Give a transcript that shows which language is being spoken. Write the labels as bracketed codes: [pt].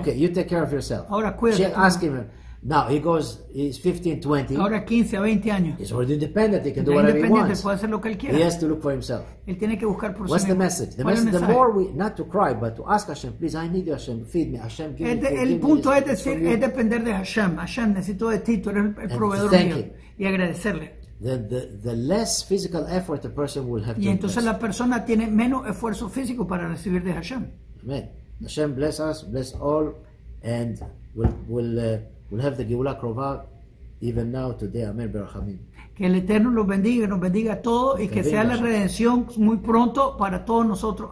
[en] Okay, you take care of yourself. [es] Ahora cuídate. [en] She asks him. Now he goes, he's 15, 20. [es] Ahora 15, 20 años. [en] He's already independent, he can do whatever he wants. [es] Puede hacer lo que él quiera. [en] He has to look for himself. [es] Él tiene que buscar por [en] What's [es] sí [en] the [es] mismo. [en] Message? The message, the more we, not to cry, but to ask Hashem, please, I need you, Hashem, feed me, Hashem, give me [es] El punto es decir, es depender de Hashem. Hashem, necesito de ti, tú eres el proveedor [en] thank [es] mío. [en] Him. [es] Y agradecerle. [en] The less physical effort the person will have [es] y [en] to [es] Y entonces [en] impress. [es] La persona tiene menos esfuerzo físico para recibir de Hashem. [en] Amen. Hashem, bless us, bless all, and we'll have the Geulah Krova even now today. [he] Amen. Berachamim. [es] Que el Eterno los bendiga, nos bendiga a todos y que sea la redención muy pronto para todos nosotros.